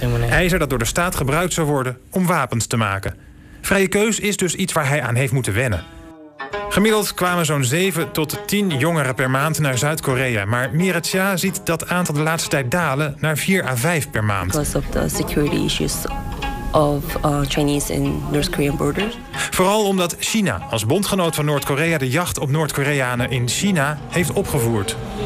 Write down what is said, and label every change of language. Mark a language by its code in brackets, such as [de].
[nl] IJzer dat door de staat gebruikt zou worden om wapens te maken. Vrije keus is dus iets waar hij aan heeft moeten wennen. Gemiddeld kwamen zo'n 7 tot 10 jongeren per maand naar Zuid-Korea. Maar Mira Chia ziet dat aantal de laatste tijd dalen naar 4 à 5 per maand. [en] Because of the security issues of Chinese and North Korean borders. [nl] Vooral omdat China als bondgenoot van Noord-Korea de jacht op Noord-Koreanen in China heeft opgevoerd.